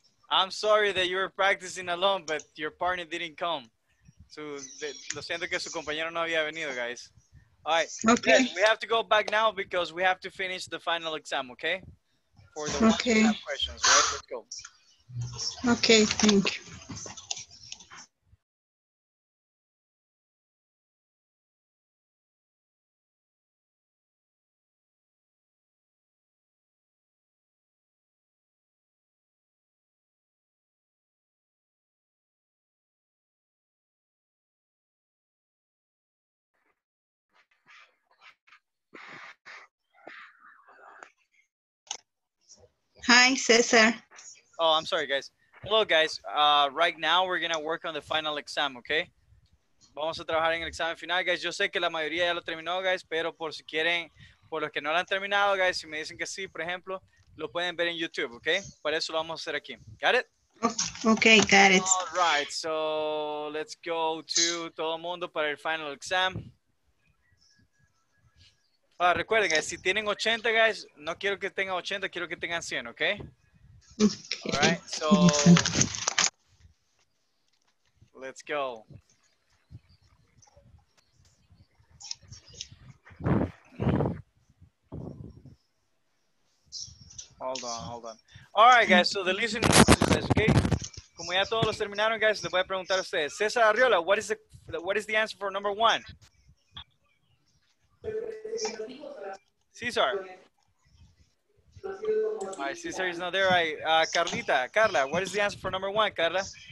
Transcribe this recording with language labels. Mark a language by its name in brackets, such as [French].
[English] I'm sorry that you were practicing alone, but your partner didn't come. [Spanish] So, lo siento que su compañero no había venido, guys. [English] All right. Okay. Yes, we have to go back now because we have to finish the final exam, okay? For the okay. Ones who have questions, right? Let's go. Okay, thank you. Hi, Cesar. Oh, I'm sorry, guys. Hello, guys. Right now, we're going to work on the final exam, okay? [Spanish] Vamos a trabajar en el examen final, guys. Yo sé que la mayoría ya lo terminó, guys, pero por si quieren, por los que no lo han terminado, guys, si me dicen que sí, por ejemplo, lo pueden ver en YouTube, okay? Por eso lo vamos a hacer aquí. [English] Got it? Okay, got it. All right, so let's go to [Spanish] todo el mundo para el [English] final exam. [Spanish] Ah, recuerden, guys, si tienen 80, guys, no quiero que tengan 80, quiero que tengan 100, okay? [English] Okay. All right, so let's go. Hold on. All right, guys, so the listening process, okay? [Spanish] Como ya todos los terminaron, guys, les voy a preguntar a ustedes. [English] César Arriola, what is the answer for number one? Cesar. All right, Cesar is not there. All right, Carla, what is the answer for number one, Carla?